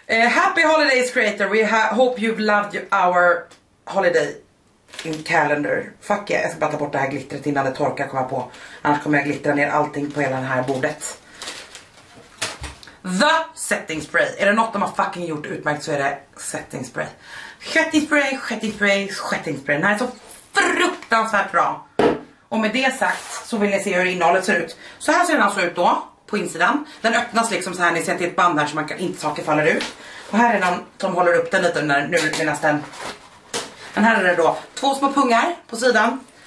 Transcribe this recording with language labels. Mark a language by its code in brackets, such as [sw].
[en] Happy holidays creator, we hope you've loved our holiday in calendar. [sv] Fuck yeah, jag ska bara ta bort det här glittret innan det torkar kommer på. Annars kommer jag glittra ner allting på hela det här bordet. The setting spray, är det något de har fucking gjort utmärkt så är det setting spray. [en] Setting spray, setting spray, setting spray. [sv] Den här är så fruktansvärt bra. Och med det sagt så vill ni se hur innehållet ser ut. Så här ser den alltså ut då. På insidan. Den öppnas liksom så här. Ni ser att det är ett band här så man kan, inte saker faller ut. Och här är någon som håller upp den lite när, nu medan den. Men här är det då två små pungar på sidan.